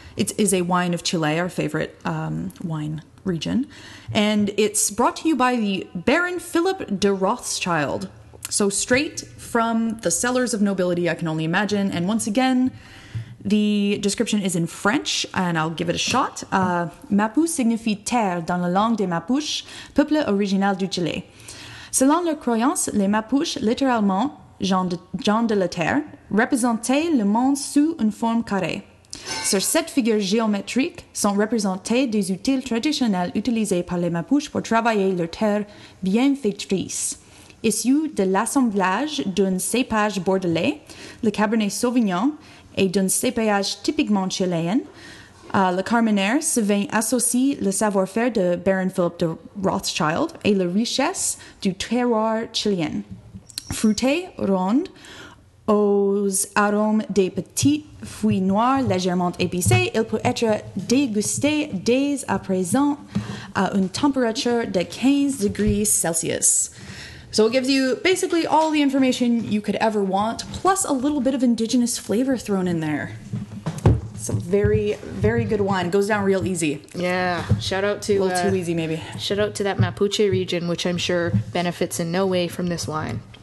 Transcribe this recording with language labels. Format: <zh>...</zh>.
<en>It is a wine of Chile, our favorite wine region. And it's brought to you by the Baron Philip de Rothschild. So straight from the cellars of nobility, I can only imagine. And once again, the description is in French, and I'll give it a shot.</en> <fr>Mapu signifie terre dans la langue des Mapuches, peuple original du Chili. Selon leur croyance, les Mapuches, littéralement gens de la terre, représentaient le monde sous une forme carrée. Sur cette figure géométrique sont représentés des outils traditionnels utilisés par les Mapuches pour travailler leur terre bienfaitrice. Issue de l'assemblage d'un cépage bordelais, le Cabernet Sauvignon, et d'un cépage typiquement chilien, le Carmenère se vient associer le savoir-faire de Baron Philip de Rothschild et la richesse du terroir chilien. Fruité, ronde, aux arômes des petites fruits noirs légèrement épicés, il peut être dégusté dès à présent à une température de 15 degrés Celsius.</fr> <en>So it gives you basically all the information you could ever want, plus a little bit of indigenous flavor thrown in there. It's a very, very good wine. It goes down real easy. Yeah. Shout out to... A little too easy, maybe. Shout out to that Mapuche region, which I'm sure benefits in no way from this wine.</en>